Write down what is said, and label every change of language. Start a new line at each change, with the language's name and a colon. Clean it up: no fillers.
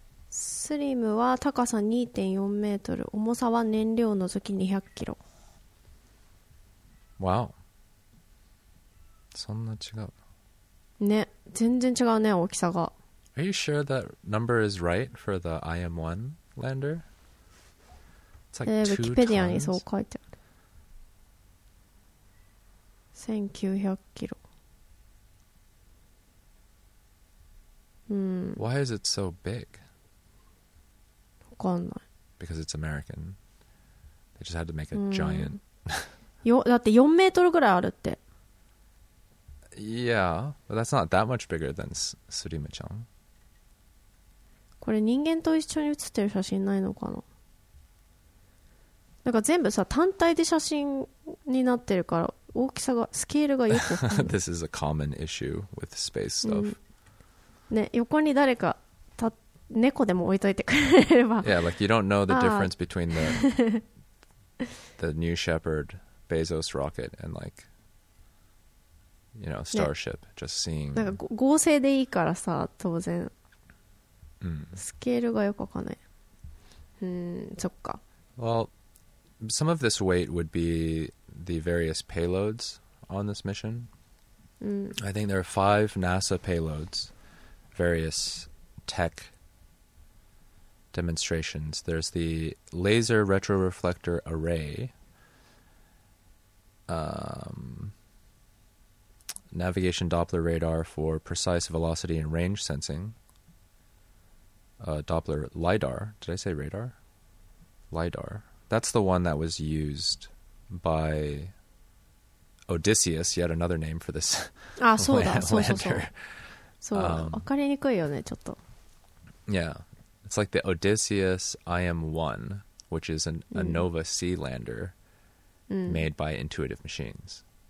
Japanese: スリムは高さ 2.4 メートル、重さは燃料の除き200キロ。 Wow. そんな違う。ね、全然違うね、大きさが。
English: Are you sure that number is right for the IM-1 lander? It's like 2 tons.
Japanese: ウィキペディアにそう書いてある。 1900キロ。
English: Why is it so big?
Japanese: わかんない。
English: Because it's American. They just had to make a giant.
Japanese: だって4メートルぐらいあるって。
English: Yeah, but that's not that much bigger than Surima-chan.
Japanese: これ人間と一緒に写ってる写真ないのかな。なんか全部さ単体で写真になってるから大きさがスケールがよく。
English: This is a common issue with space stuff.
Japanese: ね、横に誰か。猫でも置いといてくれれば。
English: Yeah, like you don't know the difference between the New Shepard Bezos rocket and like, you know, Starship.、ね、just seeing.
Japanese: なんか合成でいいからさ、当然。スケールがよくわかんない。そっか。
English: Well, some of this weight would be the various payloads on this mission.、I think there are 5 NASA payloads, various tech. Demonstrations. There's the laser retroreflector array, navigation Doppler radar for precise velocity and range sensing, Doppler LIDAR. Did I say radar? LIDAR. That's the one that was used by Odysseus, yet another name for this. Ah, so that, so that.
Japanese: So, わかりにくいよね、ちょっと。
English: Yeah. It's like the Odysseus IM-1, which is a Nova C lander made by Intuitive Machines.